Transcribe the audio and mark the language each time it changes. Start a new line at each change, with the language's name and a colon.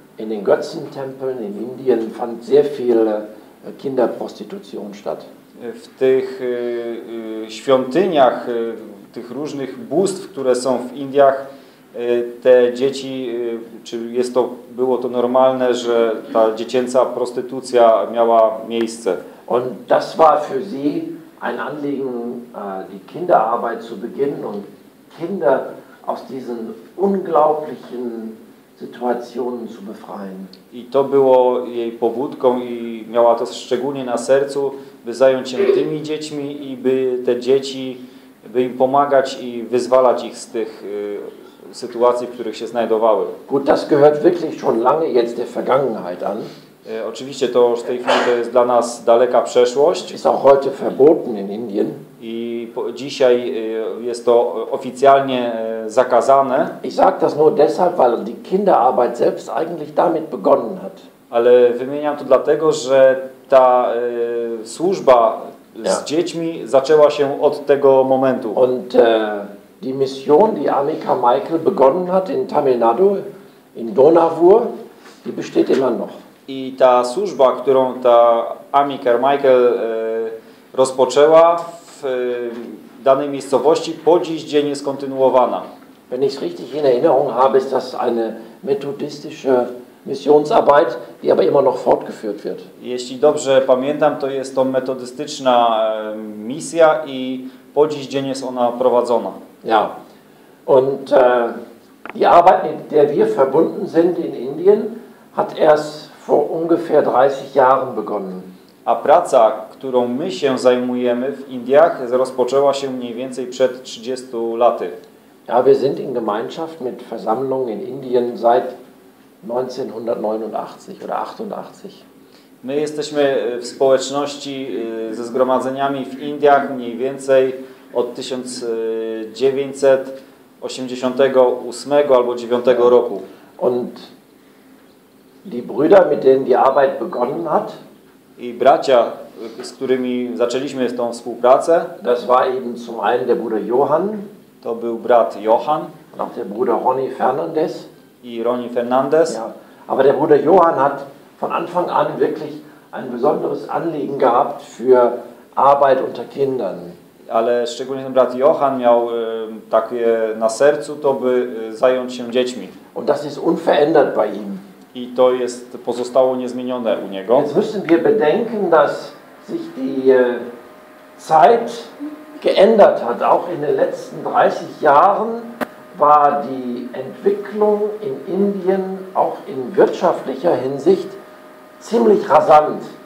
German: In den Götzentempeln in Indien fand sehr viel Kinderprostitution statt.
Polish: W tych świątyniach, tych różnych bóstw, które są w Indiach, te dzieci, czy jest to, było to normalne, że ta dziecięca prostytucja miała miejsce.
German: Und das war für sie ein Anliegen, die Kinderarbeit zu beginnen und Kinder aus diesen unglaublichen Situationen zu befreien.
Polish: I to było jej pobudką i miała to szczególnie na sercu, by zająć się tymi dziećmi i by te dzieci, by im pomagać i wyzwalać ich z tych sytuacji, w których się znajdowały.
German: Gut, das gehört wirklich schon lange jetzt der Vergangenheit an.
Polish: Oczywiście to już w tej chwili to jest dla nas daleka przeszłość.
German: Ist auch heute verboten in Indien.
Polish: I dzisiaj jest to oficjalnie zakazane.
German: Ich sag das nur deshalb, weil die Kinderarbeit selbst eigentlich damit begonnen hat.
Polish: Ale wymieniam to dlatego, że ta służba z dziećmi zaczęła się od tego momentu.
German: Und die Mission, die Annika Michael begonnen hat in Tamil Nadu, in Donavur, die besteht immer noch.
Polish: I ta służba, którą ta Amy Carmichael rozpoczęła w danej miejscowości, po dziś dzień jest kontynuowana.
German: Wenn ich es richtig in Erinnerung habe, ist das eine methodistische Missionsarbeit, die aber immer noch fortgeführt wird.
Polish: Jeśli dobrze pamiętam, to jest to metodystyczna misja i po dziś dzień jest ona prowadzona.
German: Ja. Und die Arbeit, mit der wir verbunden sind in Indien, hat erst vor ungefähr 30 Jahren begonnen.
Polish: A praca, którą my się zajmujemy w Indiach, rozpoczęła się mniej więcej przed 30 laty.
German: Ja, wir sind in Gemeinschaft mit Versammlungen in Indien seit 1989 oder 88.
Polish: My jesteśmy w społeczności ze zgromadzeniami w Indiach mniej więcej od 1988 albo 9 roku.
German: Und die Brüder, mit denen die Arbeit begonnen hat.
Polish: I bracia, z którymi zaczęliśmy tą współpracę.
German: Das war eben zum einen der Bruder Johann.
Polish: To był brat Johann.
German: Und auch der Bruder Ronnie Fernandez.
Polish: I Ronnie Fernandez.
German: Ja. Aber der Bruder Johann hat von Anfang an wirklich ein besonderes Anliegen gehabt für Arbeit unter Kindern.
Polish: Ale szczególnie ten brat Johann miał takie na sercu, to by zająć się dziećmi.
German: Und das ist unverändert bei ihm.
Polish: I to jest pozostało niezmienione u niego.
German: Jetzt müssen wir bedenken, dass sich die Zeit geändert hat. Auch in den letzten 30 Jahren war die Entwicklung in Indien auch in wirtschaftlicher Hinsicht ziemlich rasant.